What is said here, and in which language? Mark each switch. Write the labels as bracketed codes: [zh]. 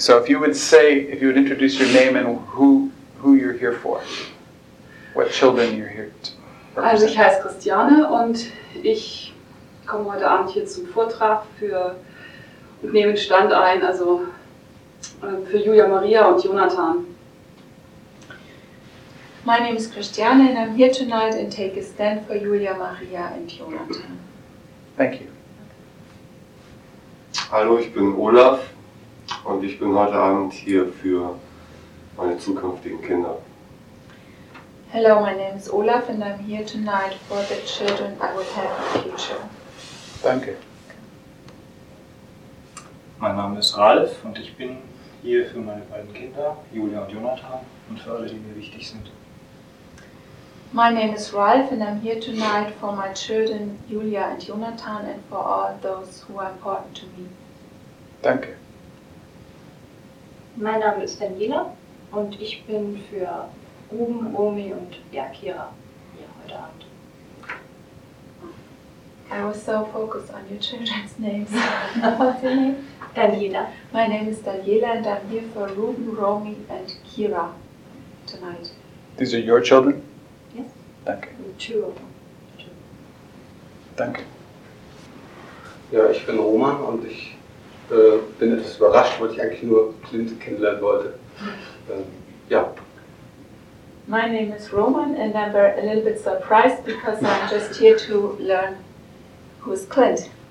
[en] So if you would say, if you would introduce your name and who you're here for, what children you're here to represent. [de] Also ich heiße Christiane und ich komme heute Abend hier zum Vortrag für und nehme Stand ein, also für Julia Maria und Jonathan. [en] My name is Christiane and I'm here tonight and take a stand for Julia Maria and Jonathan. Thank you. [de] Hallo, ich bin Olaf und ich bin heute Abend hier für meine zukünftigen Kinder. [en] Hello, my name is Olaf and I'm here tonight for the children I will have in the future. [de] Danke. Mein Name ist Ralf und ich bin hier für meine beiden Kinder, Julia und Jonathan, und für alle, die mir wichtig sind. [en] My name is Ralf and I'm here tonight for my children, Julia and Jonathan, and for all those who are important to me. [de] Danke. Mein Name ist Daniela und ich bin für Ruben, Omi und Yakira hier heute Abend. [en] I was so focused on your children's names. What's your name? Daniela. My name is Daniela and I'm here for Ruben, Romy and Kira tonight. These are your children? Yes. [de] Danke. [en] Two of them. Two. [de] Danke. Ja, ich bin Roman und ich bin etwas überrascht, weil ich eigentlich nur Clint kennenlernen wollte. Ja. [en] My name is Roman and I'm a little bit surprised because I'm just here to learn who's Clint.